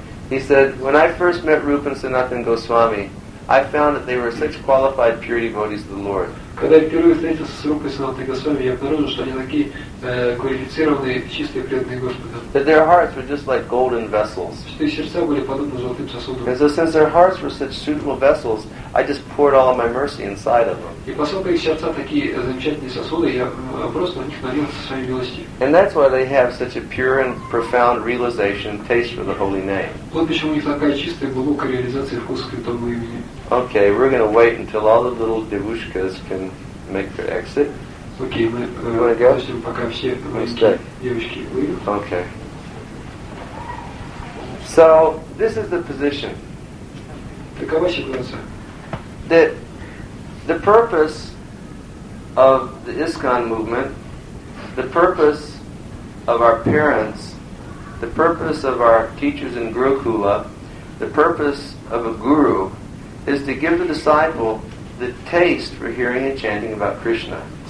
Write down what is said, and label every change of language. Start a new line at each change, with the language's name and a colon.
English: He said, when I first met Rupa and Sanatana Goswami, I found that they were such qualified pure devotees of the Lord.
Russian: Когда я впервые встретился с Рупой Санатой Госвами, я обнаружил, что они такие квалифицированные, чистые, преданные Господа.
English: That their hearts were just like golden vessels.
Russian: Что их сердца были подобны золотым сосудам.
English: And so since their hearts were such suitable vessels, I just poured all of my mercy inside of them.
Russian: И поскольку их сердца такие замечательные сосуды, я просто на них налился своей милостью.
English: And that's why they have such a pure and profound realization, taste for the holy name.
Russian: Вот почему у них такая чистая, глубокая реализация вкуса святого имени.
English: Okay, we're going to wait until all the little devushkas can make their exit. Okay, Okay. So, this is the position. That the purpose of the ISKCON movement, the purpose of our parents, the purpose of our teachers in Gurukula, the purpose of a guru, is to give the disciple the taste for hearing and chanting about Krishna.